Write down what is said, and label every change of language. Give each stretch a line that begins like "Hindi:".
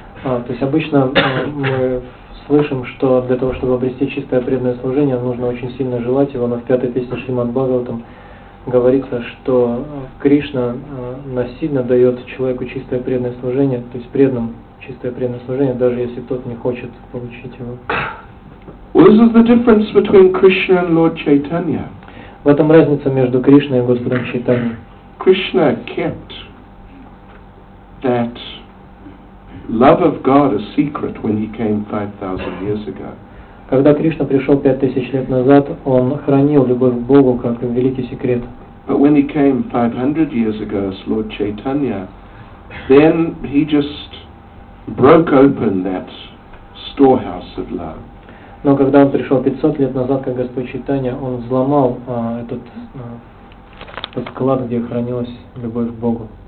Russian: То есть обычно мы слышим, что для того, чтобы обрести чистое преданное служение, нужно очень сильно желать его. Но в пятой песне Шримад Бхагаватам говорится, что Кришна насильно дает человеку чистое преданное служение, то есть преданному чистое преданное служение, даже если тот не хочет получить его.
English: Well, this is the difference between Krishna and Lord Chaitanya.
Russian: В этом разница между Кришной и Господом Чайтаньей.
English: Krishna kept that love of God a secret when he came 5,000 years ago.
Russian: Когда Кришна пришел 5,000 лет назад, он хранил любовь к Богу как великий секрет.
English: But when he came 500 years ago as Lord Chaitanya, then he just broke open that storehouse of love.
Russian: Но когда он пришел 500 лет назад, как Господь Чайтанья, он взломал этот склад, где хранилась любовь к Богу.